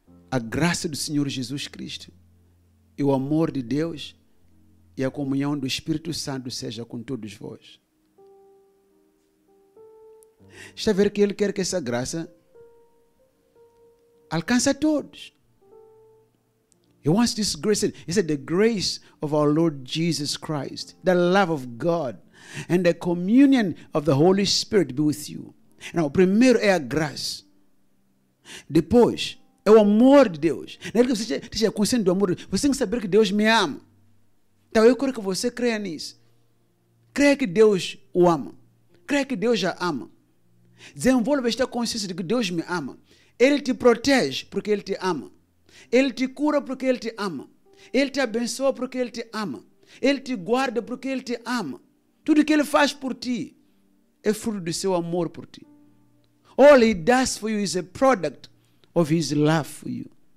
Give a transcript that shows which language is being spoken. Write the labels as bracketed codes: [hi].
[pt] A graça do Senhor Jesus Cristo e o amor de Deus e a comunhão do Espírito Santo seja com todos vós. Está a ver que ele quer que essa graça alcance a todos. [en] He wants this grace. He said, the grace of our Lord Jesus Christ, the love of God, and the communion of the Holy Spirit be with you. [pt] Now, primeiro é a graça. Depois, é o amor de Deus. Não é que você esteja consciente do amor de Deus. Você tem que saber que Deus me ama. Então, eu quero que você creia nisso. Creia que Deus o ama. Creia que Deus já ama. Desenvolva esta consciência de que Deus me ama. Ele te protege porque Ele te ama. Ele te cura porque Ele te ama. Ele te abençoa porque Ele te ama. Ele te guarda porque Ele te ama. Tudo que Ele faz por ti é fruto do seu amor por ti. [en] All He does for you is a product of His love for you.